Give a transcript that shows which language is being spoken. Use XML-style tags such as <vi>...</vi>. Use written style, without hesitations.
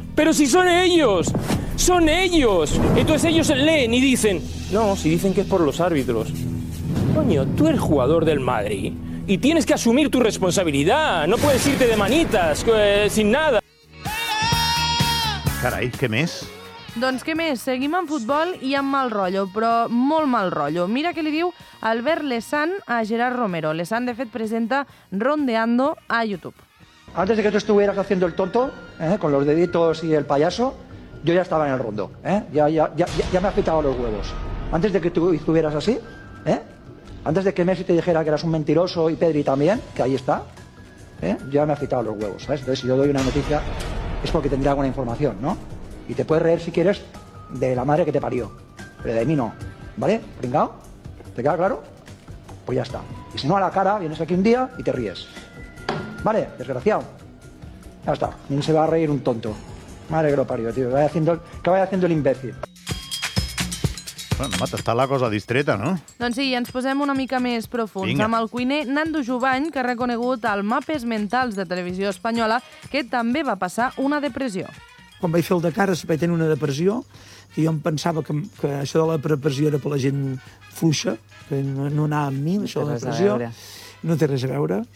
<es>¡Pero si son ellos! ¡Son ellos! Entonces ellos leen y dicen... No, si dicen que es por los árbitros. Coño, tú eres jugador del Madrid y tienes que asumir tu responsabilidad. No puedes irte de manitas, sin nada.</es> <ca>Carai, què més? Doncs què més? Seguim amb futbol i amb mal rotllo, però molt mal rotllo. Mira què li diu Albert Lesant a Gerard Romero. Lesant, de fet, presenta Rondeando a YouTube.</ca> <es>Antes de que tú estuvieras haciendo el tonto, con los deditos y el payaso, yo ya estaba en el rondo, ya me ha pitado los huevos. Antes de que tú estuvieras así, antes de que Messi te dijera que eras un mentiroso y Pedri también, que ahí está, ya me ha pitado los huevos, ¿sabes? Entonces, si yo doy una noticia... Es porque tendría alguna información, ¿no? Y te puedes reír, si quieres, de la madre que te parió. Pero de mí no. ¿Vale? ¿Pringao? ¿Te queda claro? Pues ya está. Y si no, a la cara, vienes aquí un día y te ríes. ¿Vale? Desgraciado. Ya está. Y se va a reír un tonto. Madre que lo parió, tío. Que vaya haciendo el imbécil.</es> <ca>Bueno, mate, està la cosa distreta, no? Doncs sí, ens posem una mica més profuns. Vinga. Amb el cuiner Nando Jubany, que ha reconegut al Mapes Mentals de Televisió Espanyola que també va passar una depressió. Quan vaig fer el de cares vaig tenir una depressió i jo em pensava que això de la depressió era per la gent fluixa, que no anava amb mi, això de la depressió. No té res a veure.</ca>